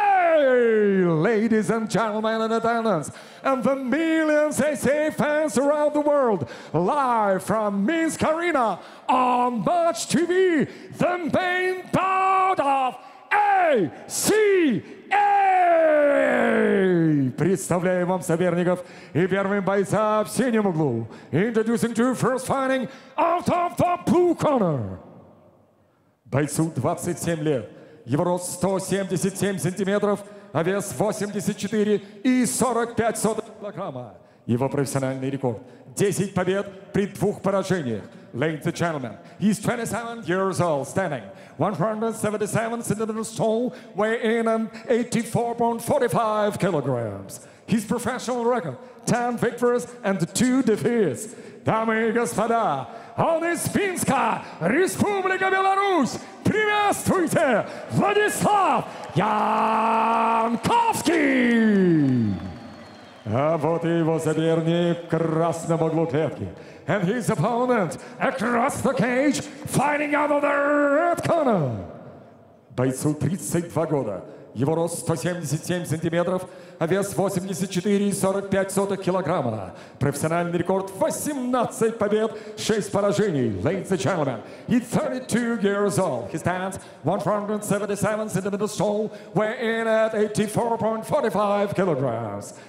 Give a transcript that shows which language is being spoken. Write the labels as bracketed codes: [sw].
[en] Ladies and gentlemen in attendance and the millions ACA fans around the world, live from Minsk-arena on Match TV, the main bout of ACA! [ru] Представляю вам соперников и первым бойца в синем углу. [en] Introducing to you first fighting out of the blue corner. [ru] Бойцу 27 лет. Его рост 177 сантиметров, а вес 84,45 килограмма. Его профессиональный рекорд 10 побед при 2 поражениях. [en] Ladies and gentlemen, he's 27 years old, standing 177 centimeters tall, weighing 84.45 kilograms. His professional record, 10 victories and 2 defeats. [ru] Дамы и господа, он из Финска, Республика Беларусь. Приветствуйте, Владислав Янковский! А вот и его соперник в красном углу клетки. [en] And his opponent across the cage, fighting out of the red corner. [ru] Бойцу 32 года. Его рост 177 сантиметров, а вес 84,45 килограмма. Профессиональный рекорд 18 побед, 6 поражений. [en] Ladies and gentlemen, he's 32 years old. He stands 177 centimeters tall, weighing at 84.45 kilograms.